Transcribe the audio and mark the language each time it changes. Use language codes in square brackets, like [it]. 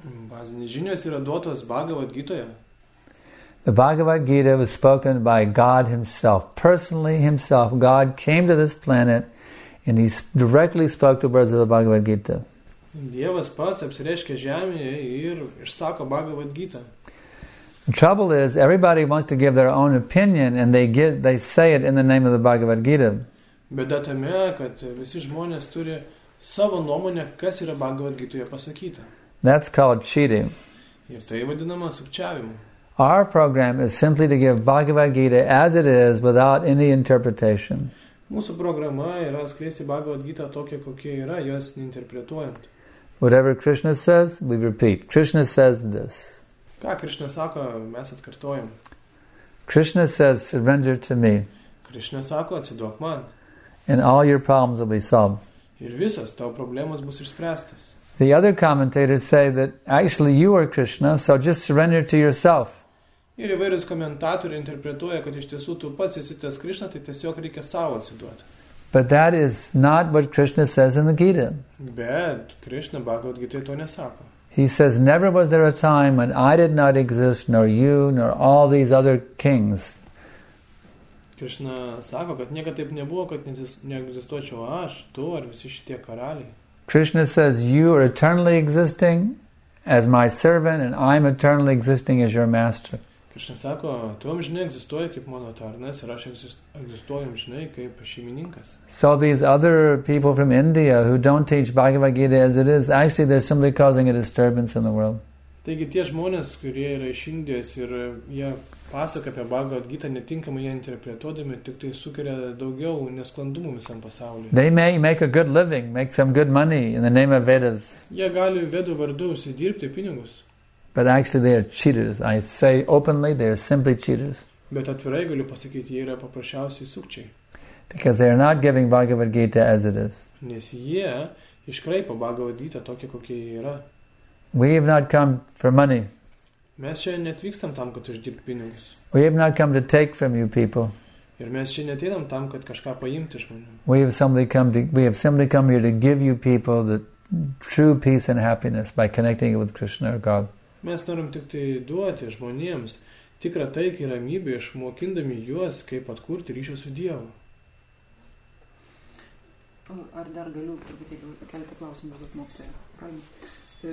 [lt] Bazinės žinios yra duotos Bhagavad Gita. [en] The Bhagavad Gita was spoken by God himself, personally himself. God came to this planet and he directly spoke the words of the Bhagavad Gita. [lt] Dievas pats apsireiškė žemėje ir sako Bhagavad Gita. [en] The trouble is, everybody wants to give their own opinion and they say it in the name of the Bhagavad Gita. [lt] Bėda tame, kad visi žmonės turi savo nuomonę, kas yra Bhagavad Gita pasakyta. [en] That's called cheating. [lt] Ir tai vadinama sukčiavimu. [en] Our program is simply to give Bhagavad Gita as it is, without any interpretation. [lt] Mūsų programa yra skleisti Bhagavad Gita tokia, kokia yra, jos neinterpretuojant. [en] Whatever Krishna says, we repeat. Krishna says this. [lt] Ką Krishna sako, mes atkartojam. [en] Krishna says, surrender to me. [lt] Krishna sako, atsiduok man. [en] And all your problems will be solved. [lt] Ir visos tavo problemos bus išspręstos. [en] The other commentators say that actually you are Krishna, so just surrender to yourself. [lt] Ir įvairius komentatoriai interpretuoja, kad iš tiesų tu pats esi tas Krishna, tai tiesiog reikia savo atsiduoti. [en] But that is not what Krishna says in the Gita. [lt] Bet Krishna Bhagavad Gita to nesako. [en] He says, never was there a time when I did not exist, nor you, nor all these other kings. [lt] Krishna sako, kad niekad taip nebuvo, kad neegzistuočiau aš, tu, ar visi šitie karaliai. [en] Krishna says, you are eternally existing as my servant, and I am eternally existing as your master. [lt] Krishna sako, tu amžinai egzistuoji kaip mano tarnas, ir aš egzistuoju amžinai kaip šeimininkas. [en] So these other people from India who don't teach Bhagavad Gita as it is, actually they're simply causing a disturbance in the world. [lt] Taigi tie žmonės, kurie yra iš Indijos ir jie pasako apie Bhagavad Gita netinkamai ją interpretuodami, tik tai sukuria daugiau nesklandumų visam pasaulyje. [en] They may make a good living, make some good money in the name of Vedas. [lt] Jie gali Vedų vardu užsidirbti pinigus. [en] But actually they are cheaters. I say openly, they are simply cheaters. [lt] Bet atvirai galiu pasakyti, jie yra paprasčiausiai sukčiai. [en] Because they are not giving Bhagavad Gita as it is. [lt] Nes jie iškraipo Bhagavad Gita tokia, kokia jie yra. [en] We have not come for money. [lt] Mes šiandien netvykstam tam, kad uždirbti pinigus. [en] We have not come to take from you people. [lt] Ir mes šiandien atėdam tam, kad kažką paimti žmonių. [en] We have simply come here to give you people the true peace and happiness by connecting it with Krishna or God. [lt] Mes norim tik tai duoti žmonėms tikrą taiką ir ramybę, išmokindami juos, kaip atkurti ryšį su Dievu. Ar dar galiu turbūt keletą klausimų duoti mokytojui?